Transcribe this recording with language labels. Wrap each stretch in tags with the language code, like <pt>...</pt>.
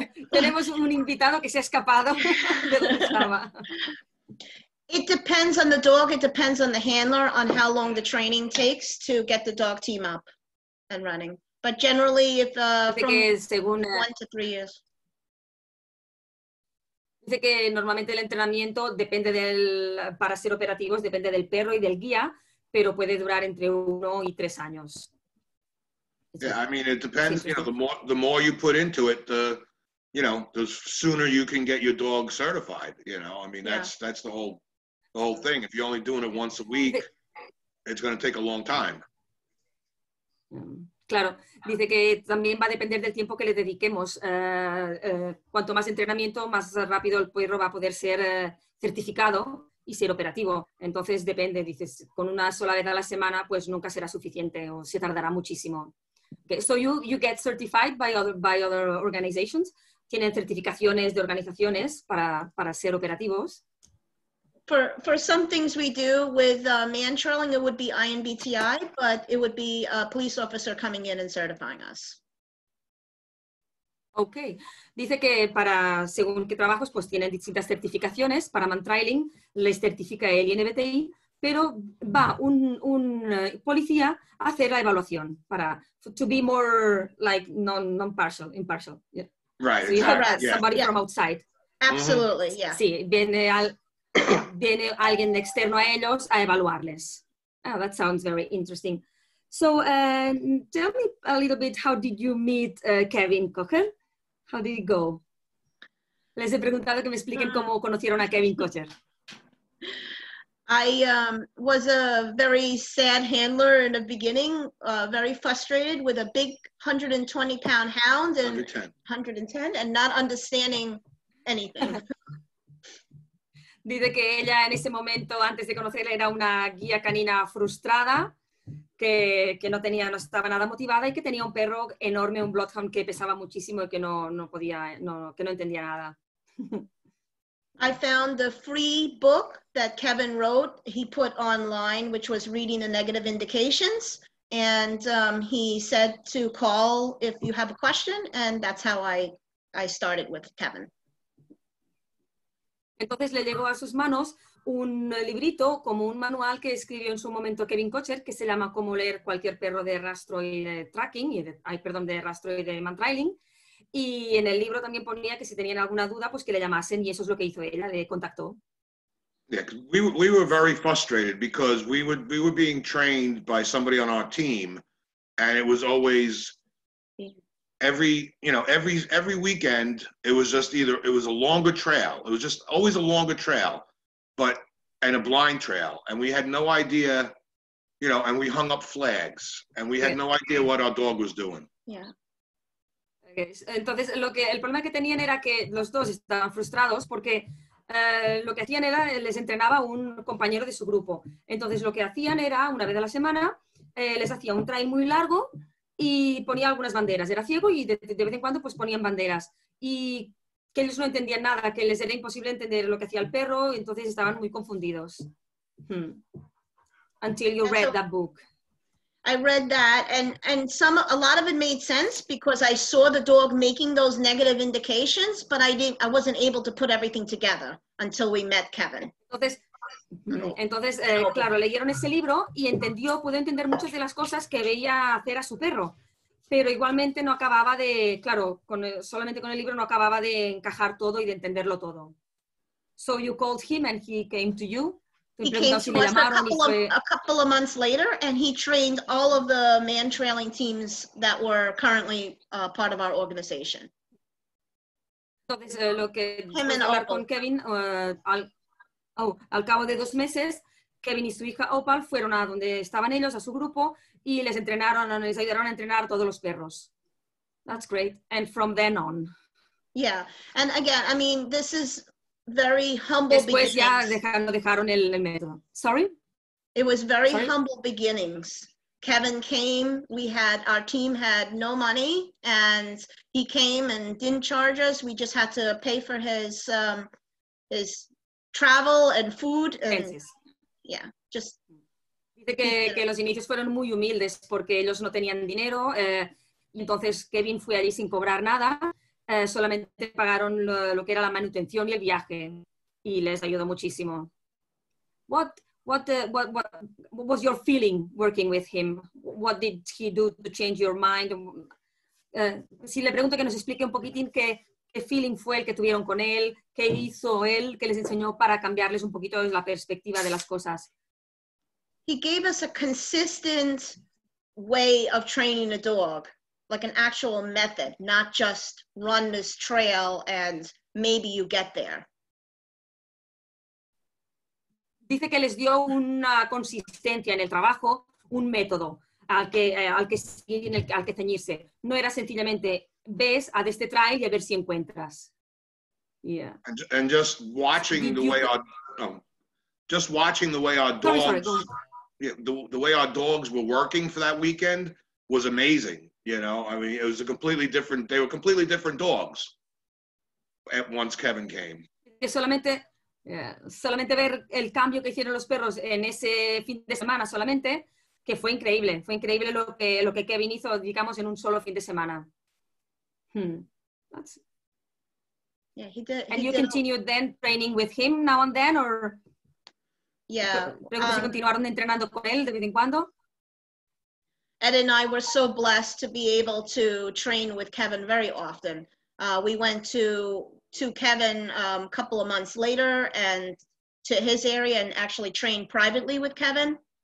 <es>tenemos un invitado que se ha escapado de donde estaba.</es> <en>It depends on the dog, it depends on the handler, on how long the training takes to get the dog team up and running. But generally, from 1 to 3 years.</en> <es>Dice que normalmente el entrenamiento depende del, para ser operativos, depende del perro y del guía, pero puede durar entre 1 y 3 años.</es> <en>Yeah, I mean, it depends, you know, the more you put into it, the sooner you can get your dog certified, you know. I mean, that's the whole thing. If you're only doing it once a week, it's going to take a long time.</en> <es>Claro, dice que también va a depender del tiempo que le dediquemos. Cuanto más entrenamiento, más rápido el perro va a poder ser certificado y ser operativo. Entonces depende, dices, con una sola vez a la semana, pues nunca será suficiente o se tardará muchísimo.</es> <en>Okay. So you get certified by other organizations?</en> <es>¿Tienen certificaciones de organizaciones para ser operativos?</es> <en>For some things we do with man trailing, it would be INBTI, but it would be a police officer coming in and certifying us. Okay.</en> <es>Dice que para según qué trabajos, pues tienen distintas certificaciones. Para man trailing, les certifica el INBTI, pero va un policía a hacer la evaluación para</es> <en>to be more like impartial. Yeah. Right. So you have somebody from outside. Absolutely. Mm-hmm. Yeah.</en> <es>Sí, viene alguien externo a ellos a evaluarles.</es> <en>Oh, that sounds very interesting. So tell me a little bit, how did you meet Kevin Cocker? How did it go?</en> <es>Les he preguntado que me expliquen cómo conocieron a Kevin Cocker.</es> <en>I was a very sad handler in the beginning, very frustrated with a big 120-pound hound and 110, and not understanding anything.</en> <es>Dice que ella en ese momento, antes de conocerla, era una guía canina frustrada, que no tenía, no estaba nada motivada y que tenía un perro enorme, un bloodhound que pesaba muchísimo y que no entendía nada.</es> <en>I found the free book that Kevin wrote, he put online, which was Reading the Negative Indications, and he said to call if you have a question, and that's how I started with Kevin.</en> <es>Entonces le llegó a sus manos un librito, como un manual que escribió en su momento Kevin Cocher, que se llama Cómo leer cualquier perro de rastro y de tracking, de rastro y de mantrailing. Y en el libro también ponía que si tenían alguna duda, pues que le llamasen, y eso es lo que hizo ella, le contactó.</es> <en>Yeah, we were very frustrated because we were being trained by somebody on our team, and it was always every weekend it was just either it was a longer trail, it was just always a longer trail, but and a blind trail, and we had no idea, you know, and we hung up flags, and we had no idea what our dog was doing. Yeah.</en> <es>Entonces, el problema que tenían era que los dos estaban frustrados porque lo que hacían era, les entrenaba un compañero de su grupo. Entonces, lo que hacían era, una vez a la semana, les hacía un trail muy largo y ponía algunas banderas. Era ciego y de vez en cuando pues ponían banderas. Y que ellos no entendían nada, que les era imposible entender lo que hacía el perro, y entonces estaban muy confundidos.</es> <en>Until you read that book. I read that, a lot of it made sense because I saw the dog making those negative indications, but I wasn't able to put everything together until we met Kevin.</en> <es>Entonces, claro, leyeron ese libro y pudo entender muchas de las cosas que veía hacer a su perro, pero igualmente no acababa de, claro, solamente con el libro no acababa de encajar todo y de entenderlo todo.</es> <en>So you called him and he came to you. He came to us a couple of months later, and he trained all of the man trailing teams that were currently part of our organization.</en> <es>Entonces, lo que</es> <en>him and Opal.</en> <es>Con Kevin, al cabo de dos meses, Kevin y su hija Opal fueron a donde estaban ellos, a su grupo, y les ayudaron a entrenar todos los perros.</es> <en>That's great. And from then on. Yeah. And again, I mean, this is very humble.</en> <es>Después beginnings. Dejaron el método. Sorry?</es> <en>It was very Sorry? Humble beginnings. Kevin came, our team had no money, and he came and didn't charge us. We just had to pay for his travel and food. And, yeah, just.</en> <es>Dice que los inicios fueron muy humildes porque ellos no tenían dinero. Entonces Kevin fue allí sin cobrar nada. Solamente pagaron lo que era la manutención y el viaje, y les ayudó muchísimo.</es> <en>What was your feeling working with him? What did he do to change your mind?</en> <es>Si le pregunto que nos explique un poquitín qué feeling fue el que tuvieron con él, qué hizo él, qué les enseñó para cambiarles un poquito la perspectiva de las cosas.</es> <en>He gave us a consistent way of training a dog. Like an actual method, not just run this trail and maybe you get there.</en> <es>Dice que les dio una consistencia en el trabajo, un método al que ceñirse. No era sencillamente ves a este trail y a ver si encuentras.</es> <en>Yeah. And just watching the way our dogs were working for that weekend was amazing. You know, I mean, it was a completely different, they were completely different dogs at once Kevin came.</en> <es>Solamente ver el cambio que hicieron los perros en ese fin de semana solamente, que fue increíble lo que Kevin hizo, digamos, en un solo fin de semana.</es> <en>And you continued then training with him now and then, or? Yeah.</en> <es>Si continuaron entrenando con él de vez en cuando.</es> <en>Ed and I were so blessed to be able to train with Kevin very often. We went to Kevin a couple of months later and to his area and actually trained privately with Kevin.</en>